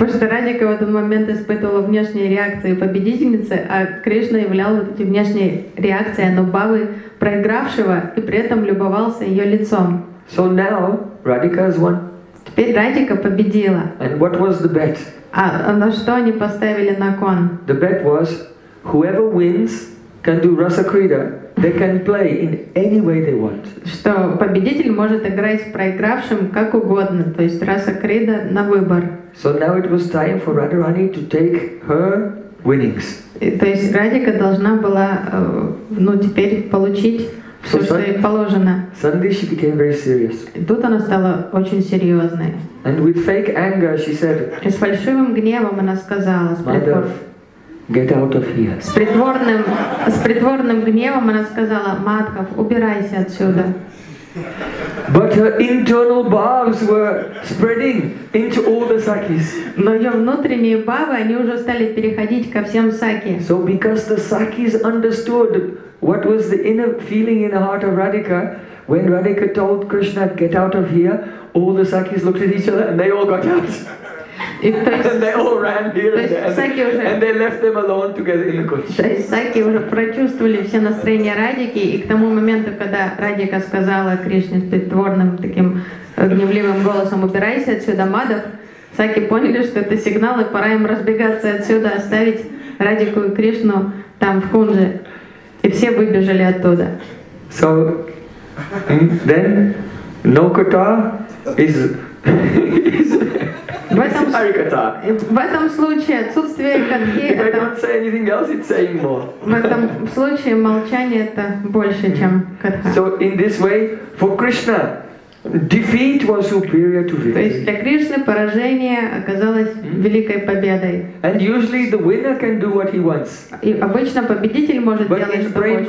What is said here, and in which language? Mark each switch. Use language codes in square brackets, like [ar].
[ru] Потому что Радика в этот момент испытывала внешние реакции победительницы, а Кришна являл эти внешние реакции анубавы проигравшего и при этом любовался ее лицом. [en] So now Radhika has won. [ru] Теперь Радика победила. [en] And what was the bet? [ru] А на что они поставили на кон? [en] The bet was, whoever wins can do rasa krida. They can play in any way they want. [ru] Что победитель может играть с проигравшим как угодно, то есть rasa krida на выбор. [en] So now it was time for Radharani to take her winnings. [ru] То есть Радика должна была, ну теперь получить. Все, что ей положено. [en] Suddenly she became very serious. [ru] Тут она стала очень серьезной. [en] And with fake anger she said. [ru] И с фальшивым гневом она сказала. [en] Madhav, get out of here. [ru] С притворным гневом она сказала: Мадхав, убирайся отсюда. [en] But her internal bhavas were spreading into all the sakis. [ru] Но ее внутренние бхавы, они уже стали переходить ко всем саки. [en] So because the sakis understood what was the inner feeling in the heart of Radhika, when Radhika told Krishna, "Get out of here," all the sakis looked at each other and they all got out. [ru] То есть саки уже прочувствовали все настроения Радики, и к тому моменту, когда Радика сказала Кришне притворным таким гневливым голосом, убирайся отсюда, Мадав, саки поняли, что это сигнал, и пора им разбегаться отсюда, оставить Радику и Кришну там в Кунже. И все выбежали оттуда. [en] So then Nokata is [ru] В этом случае отсутствие катхи. [en] If I don't say anything else, it's saying more. [ru] В этом случае молчание это больше, чем катха. [en] So in this way, for Krishna, defeat was superior to victory. [ru] То есть для Кришны поражение оказалось великой победой. [en] And usually the winner can do what he wants. [ru] И обычно победитель может делать, что хочет.